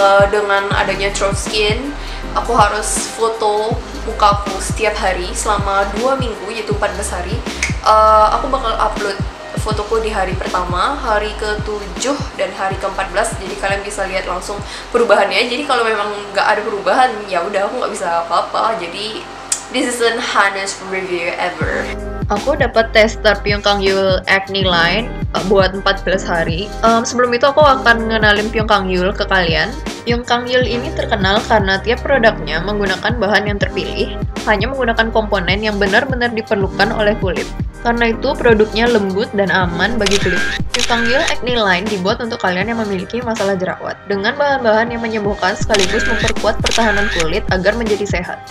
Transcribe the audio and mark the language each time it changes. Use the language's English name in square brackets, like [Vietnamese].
[Indonesian] Dengan adanya Trove Skin, aku harus foto mukaku setiap hari selama 2 minggu, yaitu 14 hari. Aku bakal upload fotoku di hari pertama, hari ke-7, dan hari ke-14. Jadi kalian bisa lihat langsung perubahannya. Jadi kalau memang nggak ada perubahan, ya udah aku nggak bisa apa-apa. Jadi [English] this is an honest review ever. [Indonesian] Aku dapat tester Pyunkang Yul ACNE line buat 14 hari. Sebelum itu aku akan ngenalin Pyunkang Yul ke kalian. Pyunkang Yul ini terkenal karena tiap produknya menggunakan bahan yang terpilih, hanya menggunakan komponen yang benar-benar diperlukan oleh kulit. Karena itu produknya lembut dan aman bagi kulit. Pyunkang Yul ACNE line dibuat untuk kalian yang memiliki masalah jerawat dengan bahan-bahan yang menyembuhkan sekaligus memperkuat pertahanan kulit agar menjadi sehat.